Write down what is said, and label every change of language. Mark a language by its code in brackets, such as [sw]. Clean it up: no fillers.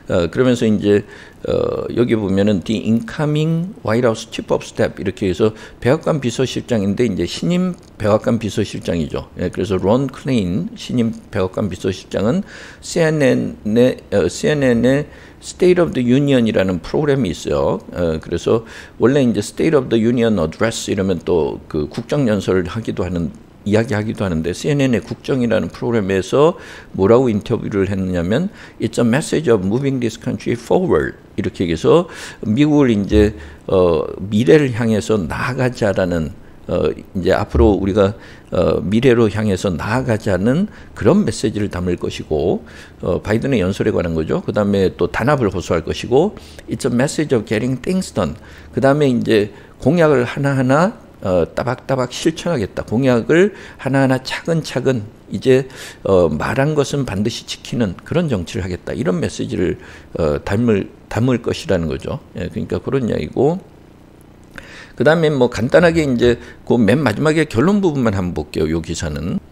[ko] 그러면서 이제 여기 보면은 [en] the incoming White House chief of staff [ko] 이렇게 해서 백악관 비서실장인데 이제 신임 백악관 비서실장이죠. 예, 그래서 론 클레인 신임 백악관 비서실장은 CNN의 State of the Union이라는 프로그램이 있어요. 그래서 원래 이제 State of the Union Address 이러면 또 그 국정 연설을 하기도 하는. 이야기하기도 하는데 CNN의 국정이라는 프로그램에서 뭐라고 인터뷰를 했냐면 [en] It's a message of moving this country forward. [ko] 이렇게 얘기해서 미국을 이제 미래를 향해서 나아가자라는 이제 앞으로 우리가 미래로 향해서 나아가자는 그런 메시지를 담을 것이고 바이든의 연설에 관한 거죠. 그 다음에 또 단합을 호소할 것이고 [en] It's a message of getting things done. [ko] 그 다음에 이제 공약을 하나하나 따박따박 실천하겠다. 공약을 하나하나 차근차근 이제 말한 것은 반드시 지키는 그런 정치를 하겠다. 이런 메시지를 담을 것이라는 거죠. 예, 그러니까 그런 이야기고. 그 다음에 뭐 간단하게 이제 그 맨 마지막에 결론 부분만 한번 볼게요. 요 기사는.